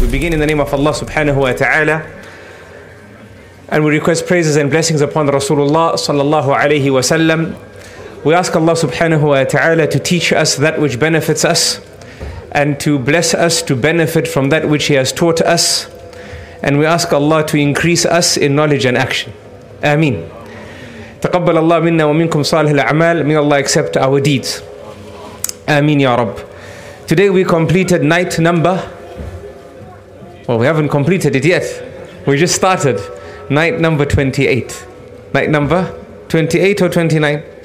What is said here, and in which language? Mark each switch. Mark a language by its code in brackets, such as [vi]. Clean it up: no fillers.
[en] We begin in the name of Allah subhanahu wa ta'ala. And we request praises and blessings upon Rasulullah sallallahu alayhi wa sallam. We ask Allah subhanahu wa ta'ala to teach us that which benefits us. And to bless us to benefit from that which He has taught us. And we ask Allah to increase us in knowledge and action. Ameen. [ar] تقبل الله منا ومنكم صالح الأعمال. [en] May Allah accept our deeds. Ameen ya Rabb. Today we completed night number. Well, we haven't completed it yet. We just started. Night number 28. Night number 28 or 29?